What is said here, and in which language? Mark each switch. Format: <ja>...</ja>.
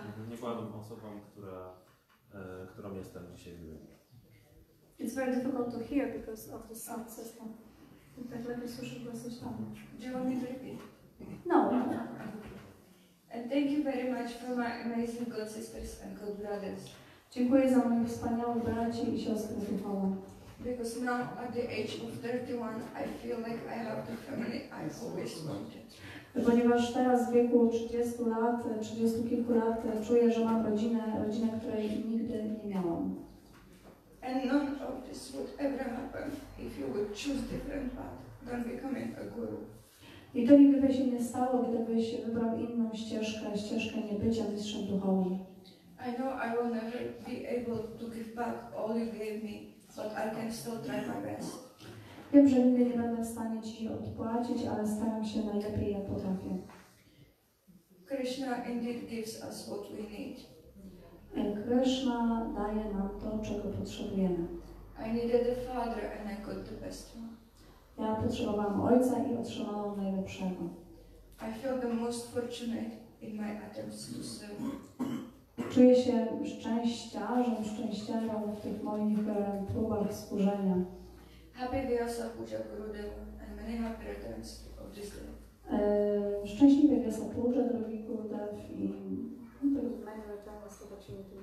<pl>Nie byłabym osobą, która... którą jestem dzisiaj.</pl> <en>It's very difficult to hear because of the sound system.</en> <pl>Tak lepiej słyszę głosy sam.</pl> <en>Do you want me to repeat? No. And thank you very much for my amazing good sisters and good brothers.</en> <pl>Dziękuję za moich wspaniałych braci i siostry duchowe.</pl> <en>Because now at the age of 31 I feel like I have the family I always wanted.</en> <pl>Ponieważ teraz w wieku 30 lat, 30 kilku lat czuję, że mam rodzinę, której nigdy nie miałam.</pl> <en>And none of this would ever happen if you would choose different path than becoming a guru.</en> <pl>I to nigdy się nie stało, gdybyś wybrał inną ścieżkę niebycia mistrzem duchowym.</pl> <en>I know I will never be able to give back all you gave me, but I can still try my best.</en> <pl>Wiem, że nigdy nie będę w stanie Ci odpłacić, ale staram się najlepiej, jak potrafię.</pl> <en>Krishna indeed gives us what we need.</en> <pl>Krishna daje nam to, czego potrzebujemy.</pl> <en>I needed a father and I got the best one.</en> <pl>Ja potrzebowałam ojca i otrzymałam najlepszego.</pl> <en>I feel the most fortunate in my attempts to serve.</en> <pl>Czuję się szczęściarzem w tych moich próbach służenia.</pl> <en>Happy Vyasa-puja Gurudeva and many happy returns of this day.</en> <pl>Szczęśliwe Vyasa-puja, drogi Gurudev, i</pl> <en>many returns of this day.</en>